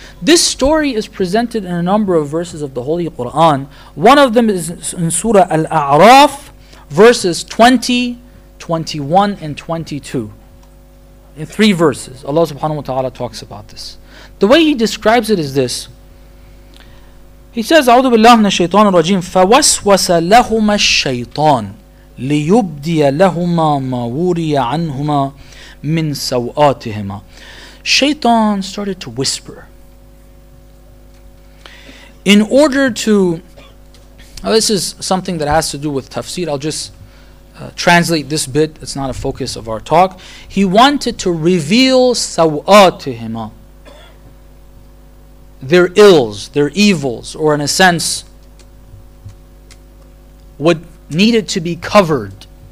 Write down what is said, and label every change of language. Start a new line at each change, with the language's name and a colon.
English: This story is presented in a number of verses of the Holy Quran. One of them is in Surah Al-A'raf, verses 20, 21, and 22. In three verses, Allah subhanahu wa ta'ala talks about this. The way he describes it is this. He says,
Arabic: أعوذ بالله من الشيطان الرجيم فوسوس لهما الشيطان ليبدي لهما ما وري عنهما من سوآتهما.
English: Shaitan started to whisper. In order to, this is something that has to do with tafsir, I'll just translate this bit, it's not a focus of our talk. He wanted to reveal سوآتهما, their ills, their evils, or in a sense, what needed to be covered.